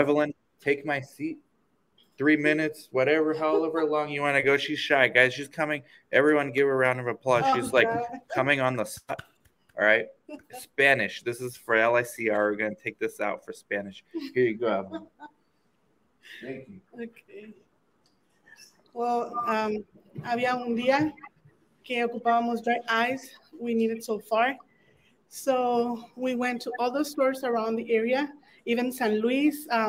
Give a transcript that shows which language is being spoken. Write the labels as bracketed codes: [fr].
[en] Evelyn, take my seat. 3 minutes, whatever, however long you want to go. She's shy, guys. She's coming. Everyone give her a round of applause. She's like coming on the spot. All right. Spanish. This is for LICR. We're going to take this out for Spanish. Here you go, Evelyn. Thank you. Okay. [es] Well, había un día que ocupábamos dry ice. [en] We needed so far. So we went to all the stores around the area, even San Luis.